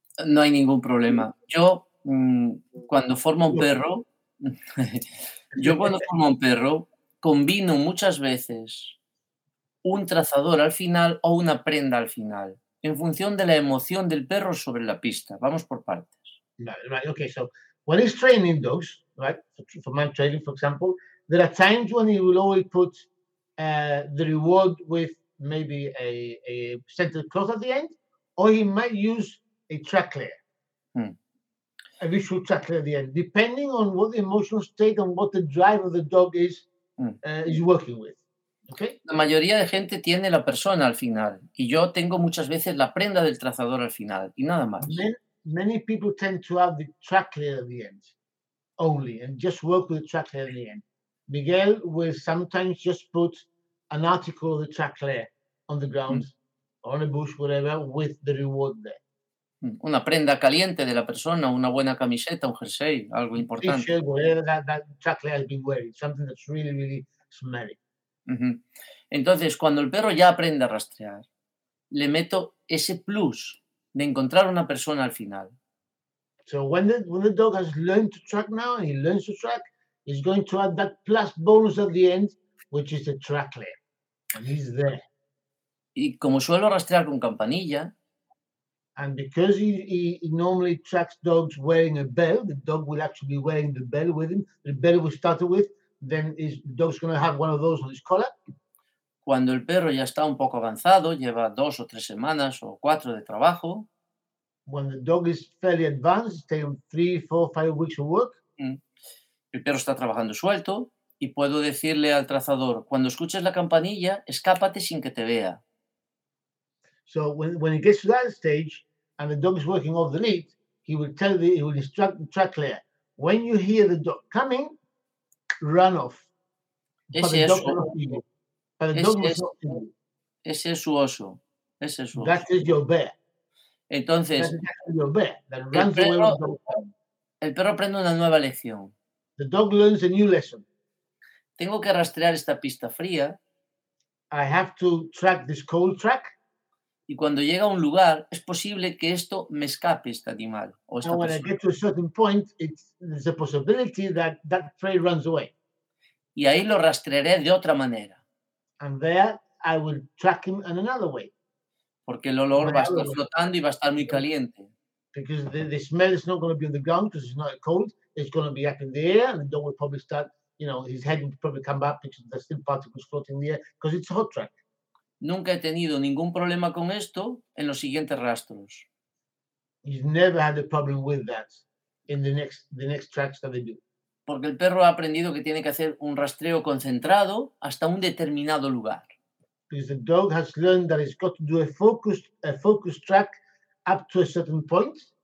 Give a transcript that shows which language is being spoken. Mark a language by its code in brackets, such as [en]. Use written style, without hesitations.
[es] No hay ningún problema. Yo, cuando formo un perro, combino muchas veces un trazador al final o una prenda al final, en función de la emoción del perro sobre la pista. Vamos por partes. [en] Okay, so when he's training dogs, right, for man training, for example, there are times when he will always put the reward with maybe a scented cloth at the end, or he might use a track layer, a visual track layer at the end, depending on what the emotional state and what the drive of the dog is working with. Okay. [es] La mayoría de gente tiene la persona al final y yo tengo muchas veces la prenda del trazador al final y nada más. [en] Many people tend to have the track layer at the end only and just work with the track layer at the end. Miguel will sometimes just put an article of the track layer on the ground or on a bush, whatever, with the reward there. [es] Una prenda caliente de la persona, una buena camiseta, un jersey, algo importante. [en] T-shirt, whatever that track layer has been wearing, something that's really, really smelly. [es] Entonces, cuando el perro ya aprende a rastrear, le meto ese plus de encontrar una persona al final. [en] So when the dog has learned to track now, he learns to track, he's going to add that plus bonus at the end, which is the track layer. And he's there. [es] Y como suelo rastrear con campanilla, [en] and because he normally tracks dogs wearing a bell, the dog will actually be wearing the bell with him, the bell we started with, then his dog's going to have one of those on his collar. [es] Cuando el perro ya está un poco avanzado, lleva 2 o 3 semanas o 4 de trabajo. [en] When the dog is fairly advanced, it's taken 3, 4, 5 weeks of work. [es] El perro está trabajando suelto y puedo decirle al trazador, cuando escuches la campanilla, escápate sin que te vea. [en] So when it gets to that stage and the dog is working off the lead, he will instruct the track layer. When you hear the dog coming, run off. [es] Ese es su oso. [en] That is your bear. [es] Entonces, el perro aprende una nueva lección. [en] The dog learns a new lesson. [es] Tengo que rastrear esta pista fría. [en] I have to track this cold track. [es] Y cuando llega a un lugar, es posible que esto me escape este animal. O esta [en] when [es] persona. [en] I get to a certain point, there's a possibility that prey runs away. [es] Y ahí lo rastrearé de otra manera. [en] And there I will track him in another way. [es] Porque el olor va a estar flotando y va a estar muy caliente. [en] Because the smell is not going to be on the ground because it's not cold. It's going to be up in the air and the dog will probably start, you know, his head will probably come back because there's still particles floating in the air because it's a hot track. [es] Nunca he tenido ningún problema con esto en los siguientes rastros. [en] He's never had a problem with that in the next tracks that they do. [es] porque el perro ha aprendido que tiene que hacer un rastreo concentrado hasta un determinado lugar. [en] Because the dog has learned that it's got to do a focused track up to a certain point.